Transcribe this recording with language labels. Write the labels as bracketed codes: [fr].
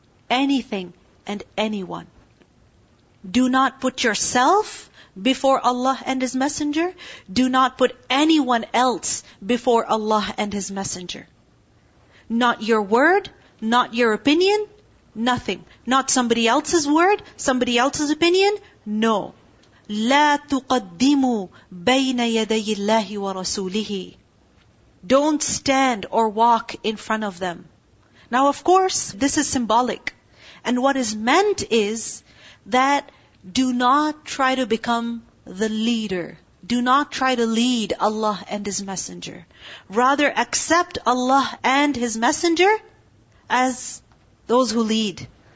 [en] Anything and anyone. Do not put yourself before Allah and His Messenger. Do not put anyone else before Allah and His Messenger. Not your word, not your opinion, nothing. Not somebody else's word, somebody else's opinion, no. [ar] لا تقدموا بين يدي الله ورسوله. [en] Don't stand or walk in front of them. Now of course, this is symbolic. And what is meant is that do not try to become the leader. Do not try to lead Allah and His Messenger. Rather, accept Allah and His Messenger as those who lead.